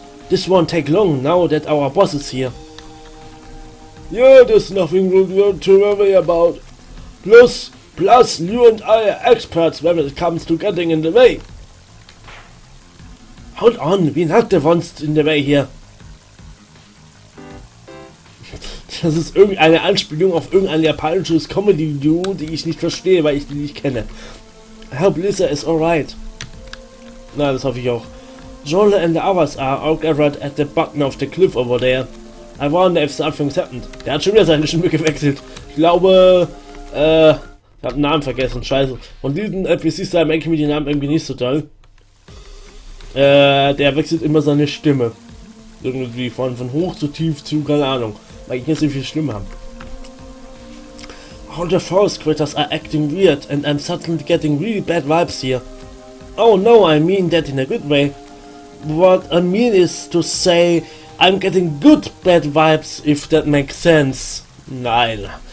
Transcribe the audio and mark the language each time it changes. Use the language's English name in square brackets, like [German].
[English] This won't take long now that our boss is here. Yeah, there's nothing to worry about. Plus, you and I are experts when it comes to getting in the way. Hold on, we're not the ones in the way here. [German] Das ist irgendeine Anspielung auf irgendein japanisches Comedy-Duo, die ich nicht verstehe, weil ich die nicht kenne. [English] I hope Lisa is alright. [German] Na, das hoffe ich auch. [English] Jolle and the others are all gathered at the bottom of the cliff over there. I wonder if something's happened. [German] Der hat schon wieder seine Stimme gewechselt. Ich glaube, ich hab den Namen vergessen, scheiße. Von diesen NPCs da merke ich mir den Namen irgendwie nicht so toll. Der wechselt immer seine Stimme. Irgendwie von hoch zu tief zu, keine Ahnung. Weil ich jetzt nicht viel schlimmer habe. [English] All the forest critters are acting weird and I'm suddenly getting really bad vibes here. Oh no, I mean that in a good way. What I mean is to say, I'm getting good bad vibes, if that makes sense. [German] Nein.